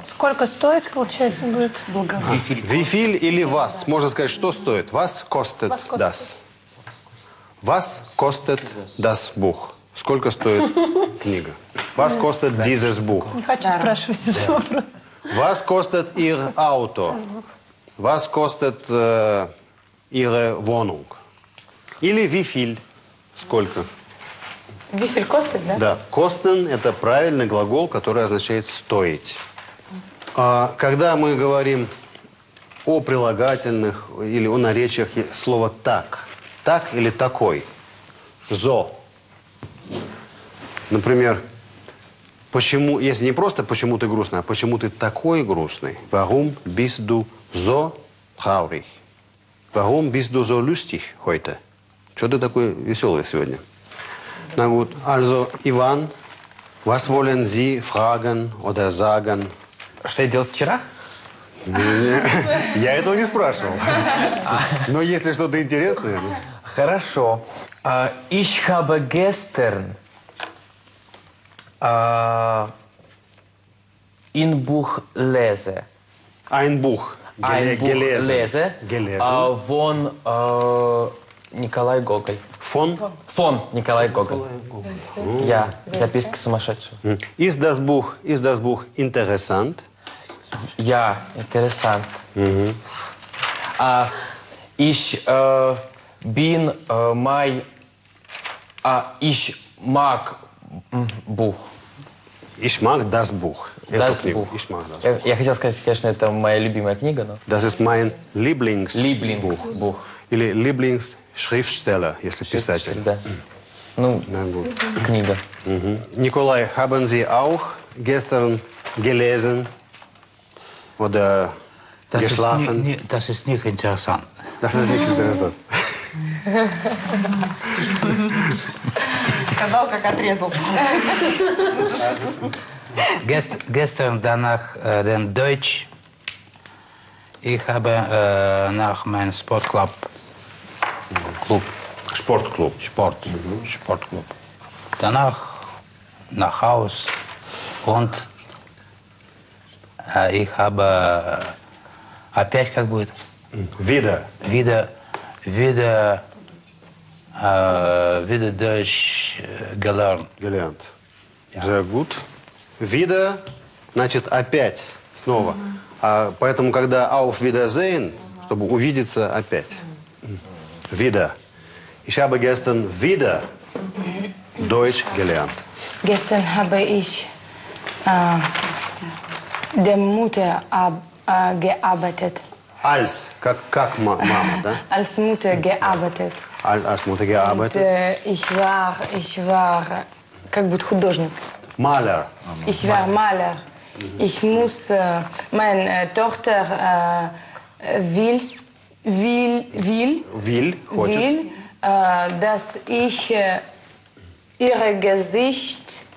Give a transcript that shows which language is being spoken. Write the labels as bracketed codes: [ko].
[ru] Сколько стоит, получается, будет благодарить. Вифиль или вас. Можно сказать, что стоит. [de] Вас костет дас. Was kostet das Buch? [ru] Сколько стоит книга? [de] Was kostet dieses Buch? [ru] Не хочу спрашивать этот вопрос. [de] Was kostet Ihr Auto? Was kostet Ihre Wohnung? [ru] Или [de] wie viel? [ru] Сколько? [de] Wie viel kostet, [ru] да? Да. Kosten – это правильный глагол, который означает «стоить». Когда мы говорим о прилагательных или о наречиях слово «так», так или такой? Зо. Например, почему, если не просто почему ты грустный, а почему ты такой грустный? [de] Warum bist du so traurig? Warum bist du so lustig heute? [ru] Чего ты такой веселый сегодня? [de] Na gut, also, Иван, was wollen Sie fragen oder sagen? [ru] Что я делал вчера? Я этого не спрашивал. Но если что-то интересное... Хорошо. [de] Ich habe gestern ein Buch lese. Ein Buch. Ein Buch lese. Gelesen. Von Николай Гоголь. Von? Von Николай Гоголь. Ja, [ru] записка сумасшедшего. [de] Ist das Buch interessant? Ja, interessant. Mm-hmm. Ich bin my [ru] А [de] ich mag Buch. Ich mag das Buch. Das Buch. Ich mag das Buch. [ru] Я хотел сказать, конечно, это моя любимая книга, но... [de] Das ist mein Lieblingsbuch. Lieblingsbuch. [ru] Или Lieblingsschriftsteller, если писатель. Да. Ну, книга. [de] Николай, haben Sie auch gestern gelesen oder geschlafen? Das ist nicht interessant. Das ist nicht interessant. [ru] Сказал, как отрезал. [de] Gestern danach den Deutsch. Ich habe nach meinem Sportclub. Club. Sportclub. Sport. Sportclub. Danach nach Haus und ich habe [ru] опять как будет? [de] Wieder. Wieder. Wieder Deutsch gelernt. Gelernt. Ja. Sehr gut. [ru] Wieder, значит, опять, снова. А поэтому, когда [de] auf Wiedersehen, [ru] чтобы увидеться опять. [de] Wieder. Ich habe gestern wieder Deutsch gelernt. Gestern habe ich der Mutter gearbeitet. [ru] Als, как Mama, да? [de] Als Mutter gearbeitet. Als Mutter gearbeitet. Und, ich war, [ru] как будто художник. [de] Maler. Ich war Maler. Ich muss, meine Tochter will, dass ich ihr Gesicht